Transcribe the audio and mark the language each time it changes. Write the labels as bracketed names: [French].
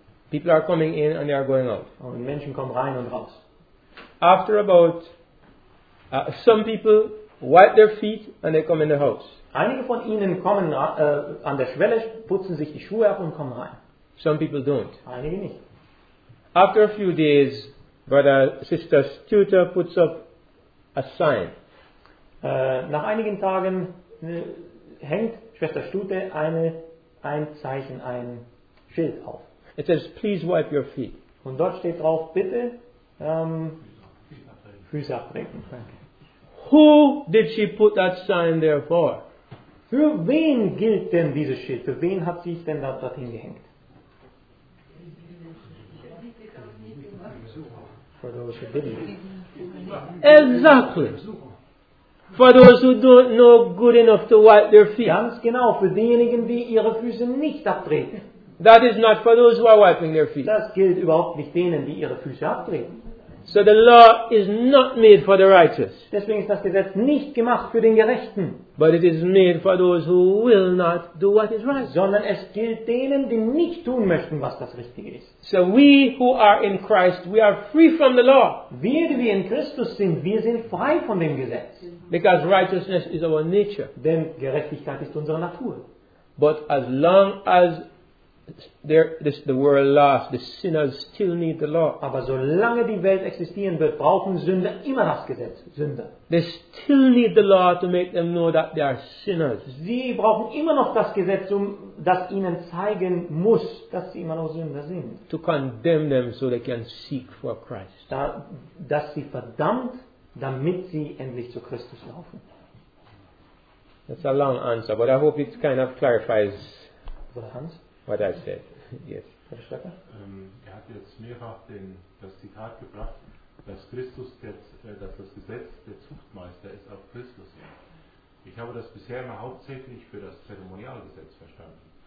[English] People are coming in and they are going out. [German] Und Menschen kommen rein und raus. [English] After about some people wipe their feet and they come in the house. [German] Einige von ihnen kommen an der Schwelle, putzen sich die Schuhe ab und kommen rein. [English] Some people don't. [German] Einige nicht. [English] After a few days, Brother Sister's tutor puts up a sign. [German] Nach einigen Tagen hängt Schwester Stute ein Zeichen, ein Schild auf. [English] It says, please wipe your feet. [German] Und dort steht drauf, bitte Füße abtrinken. [English] Who did she put that sign there for? [German] Für wen gilt denn dieses Schild? Für wen hat sie es denn dorthin gehängt? [English] For those who didn't. Exactly. For those who don't know good enough to wipe their feet. [German] Ganz genau, für diejenigen, die ihre Füße nicht abtreten. [English] That is not for those who are wiping their feet. [German] Das gilt überhaupt nicht denen, die ihre Füße abtreten. [English] So the law is not made for the righteous. [German] Deswegen ist das Gesetz nicht gemacht für den Gerechten. [English] But it is made for those who will not do what is right. [German] Sondern es gilt denen, die nicht tun möchten, was das Richtige ist. [English] So we who are in Christ, we are free from the law. [German] Wir, die wir in Christus sind, wir sind frei von dem Gesetz. [English] Because righteousness is our nature. [German] Denn Gerechtigkeit ist unsere Natur. [English] But as long as the world lasts, the sinners still need the law. [German] Aber solange die Welt existieren wird, brauchen Sünder immer das Gesetz. Sünder. [English] They still need the law to make them know that they are sinners. [German] Sie brauchen immer noch das Gesetz, das ihnen zeigen muss, dass sie immer noch Sünder sind. [English] To condemn them so they can seek for Christ. [German] Dass sie verdammt, damit sie endlich zu Christus laufen. [English] That's a long answer, but I hope it kind of clarifies. Brother Hans? What I said. Yes. [German] Er hat jetzt mehrfach das Zitat gebracht, dass Christus dass das Gesetz der Zuchtmeister ist auf Christus. Ich habe das bisher immer hauptsächlich für das Zeremonialgesetz verstanden.